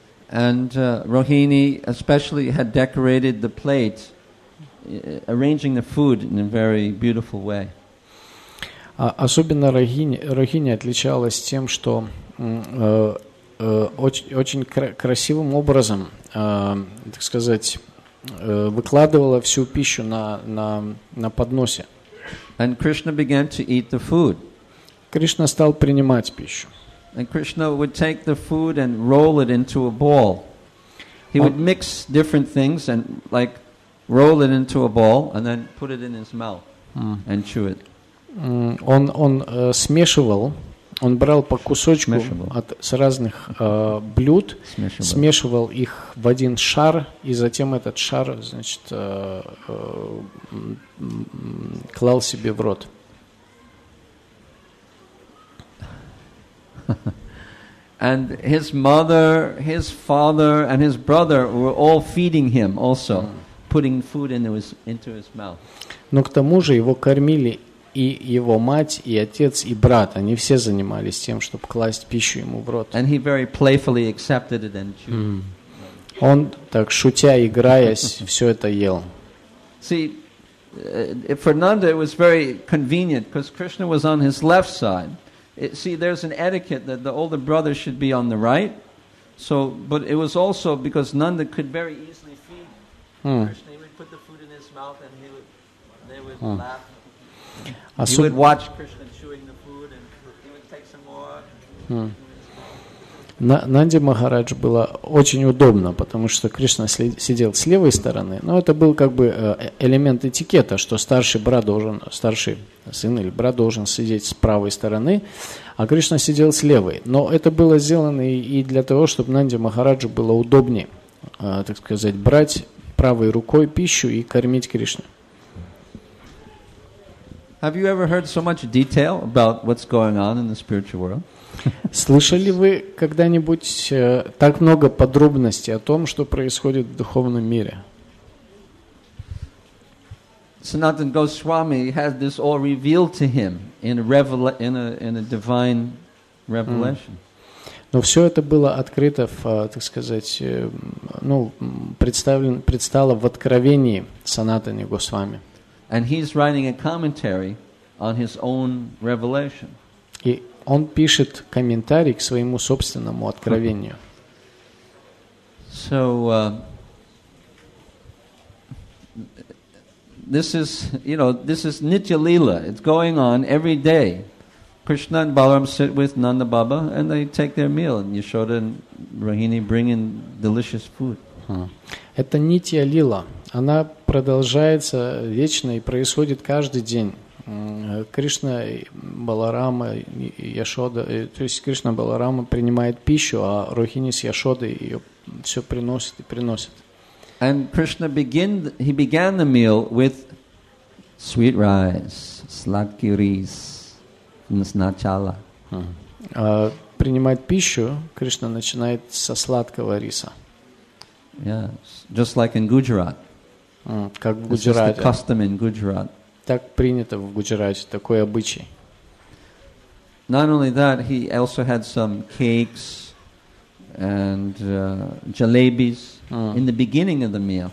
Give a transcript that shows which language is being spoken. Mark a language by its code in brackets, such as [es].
[en] And Rohini especially had decorated the plate, arranging the food in a very beautiful way. [ru] Особенно Рохини отличалась тем, что очень красивым образом, так сказать, выкладывала всю пищу на подносе. [en] And Krishna began to eat the food. [ru] Кришна стал принимать пищу. [en] And Krishna would take the food and roll it into a ball. He would mix different things and like roll it into a ball and then put it in his mouth and chew it. [ru] Он смешивал, он брал по кусочку от с разных блюд, смешивал их в один шар и затем этот шар, значит, клал себе в рот. [en] And his mother, his father, and his brother were all feeding him also, putting food into his mouth. [ru] Но к тому же его кормили и его мать, и отец, и брат. Они все занимались тем, чтобы класть пищу ему в рот. [en] And he very playfully accepted it and chewed. [ru] Он так шутя, играясь, все это ел. [en] See, for Nanda it was very convenient because Krishna was on his left side. See, there's an etiquette that the older brother should be on the right. So, but it was also because Nanda could very easily feed Krishna. He would put the food in his mouth and they would laugh. He would watch Krishna chewing the food and he would take some more. [ru] Нанде Махарадж было очень удобно, потому что Кришна сидел с левой стороны. Но это был как бы элемент этикета, что сын или брат должен сидеть с правой стороны, а Кришна сидел с левой. Но это было сделано и для того, чтобы Нанде Махараджу было удобнее, так сказать, брать правой рукой пищу и кормить Кришну. [en] Have you ever heard so much detail about what's going on in the spiritual world? [ru] Слышали вы когда-нибудь так много подробностей о том, что происходит в духовном мире? [en] Sanatan Goswami had this all revealed to him in a divine revelation. [ru] Но все это было открыто, в, так сказать, ну, предстало в откровении Санатани Госвами. [en] And he's writing a commentary on his own revelation. [ru] И он пишет комментарий к своему собственному откровению. [en] So, this is, you know, this is Nitya Lila. It's going on every day. Krishna and Balaram sit with Nanda Baba and they take their meal. And Yashoda and Rohini bring in delicious food. [ru] Это Нитья Лила. Она продолжается вечно и происходит каждый день. Кришна Баларама Яшода, то есть Кришна Баларама принимает пищу, а Рохини с Яшодой ее все приносит и приносит. [en] And Krishna began the meal with sweet rice, [ru] сладкий рис, сначала. Принимает пищу, Кришна начинает со сладкого риса. [en] Yes, just like in Gujarat. [ru] Как в Гуджарате. [en] This is the custom in Gujarat. [ru] Так принято в Гуджарате, такой обычай. [en] Not only that, he also had some cakes and jalebis in the beginning of the meal.